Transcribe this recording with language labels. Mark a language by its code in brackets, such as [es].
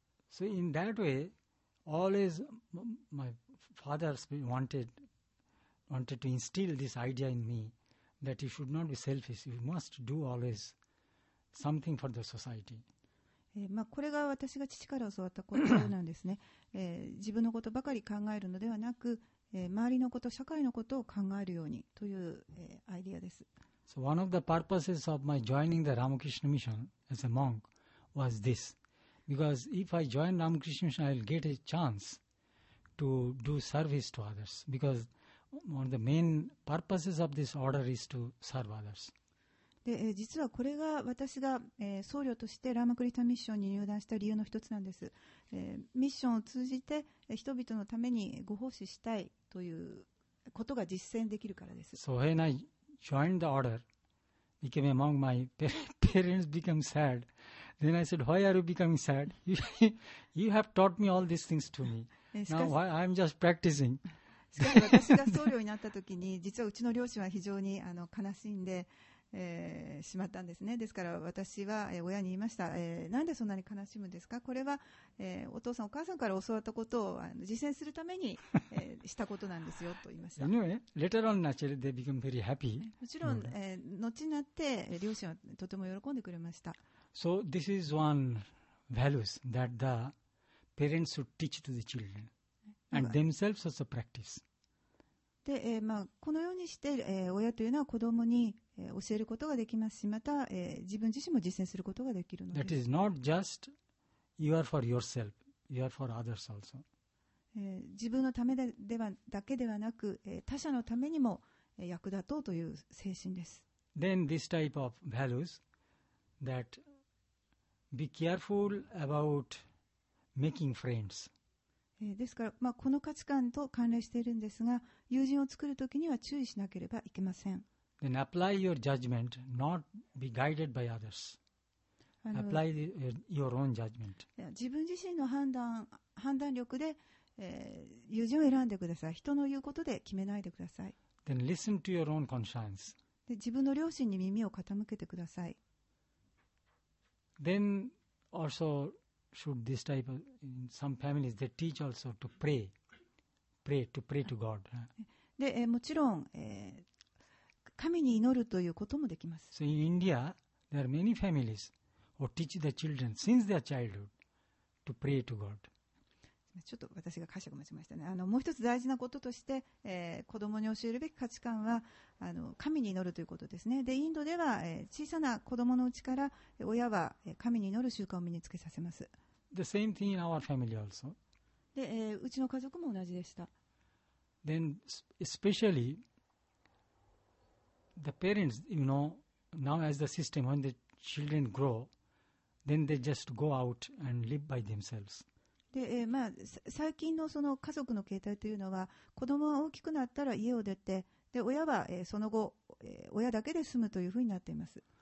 [en] So in that way, always my father wanted to instill this idea in me that you should not be selfish. You must do always something for the society. [ja] これが私が父から教わったことなんですね。自分のことばかり考えるのではなく、周りのこと、社会のことを考えるようにという、アイデアです。 [en] So one of the purposes of my joining the Ramakrishna Mission as a monk was this. Because if I join Ramakrishna Mission, I'll get a chance to do service to others. Because one of the main purposes of this order is to serve others. [ja] で、実はこれが私が、僧侶としてラマクリタミッションに入団した理由の一つなんです。ミッションを通じて人々のためにご奉仕したいということが実践できるからです。 [en] So when I joined the order, became a monk, my parents became sad. Then I said, why are you becoming sad? You have taught me all these things to me. Now why I'm just practicing. [ja] しかし私が僧侶になった時に、実はうちの両親は非常に悲しんで、しまったんですね。ですから私は、親に言いました、なんでそんなに悲しむんですか？これは、お父さんお母さんから教わったことを実践するために、したことなんですよと言いました。 [en] Anyway, later on naturally they become very happy. [ja] もちろん、後になって両親はとても喜んでくれました。 [en] So this is one values that the parents should teach to the children and themselves also practice. [ja] で、このようにして、親というのは子供に、教えることができますし、また、自分自身も実践することができるのです。 [en] That is not just you are for yourself, you are for others also. [ja] 自分のためだけではなく、他者のためにも役立とうという精神です。 [en] Then this type of values thatBe careful about making friends. [ja] ですから、この価値観と関連しているんですが、友人を作るときには注意しなければいけません。 [en] Then apply your judgment, not be guided by others. apply your own judgment. [ja] 自分自身の判断力で、友人を選んでください。人の言うことで決めないでください。 [en] Then listen to your own conscience. [ja] で自分の良心に耳を傾けてください。 [en] Then also should this type of, in some families they teach also to pray to God. [ja] で、もちろん、神に祈るということもできます。 [en] So in India there are many familiesor teach the children since their childhood to pray to God. [ja] ちょっと私が解釈を間違えましたね。もう一つ大事なこととして、子供に教えるべき価値観は神に祈るということですね。でインドでは、小さな子供のうちから親は神に祈る習慣を身につけさせます。 [en] The same thing in our family also. [ja] で、うちの家族も同じでした。 [en] Then especially the parents, you know, now as the system when theChildren grow, then they just go out and live by themselves. [ja] で、まあ、最近のその家族の形態というのは、子供は大きくなったら家を出て、で親は、その後、親だけで住むというふうになっています。